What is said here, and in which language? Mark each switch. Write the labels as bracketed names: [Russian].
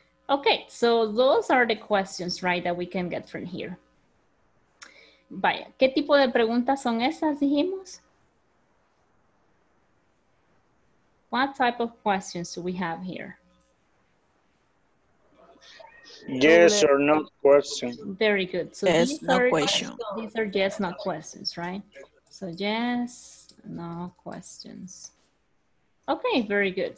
[English] Okay, so those are the questions, right, that we can get from here. [Spanish] Vaya, ¿qué tipo de preguntas son esas, dijimos? [English] What type of questions do we have here? Yes or no question. Very good. So yes, no question. These are yes, no questions, right? So yes, No questions. Okay, very good.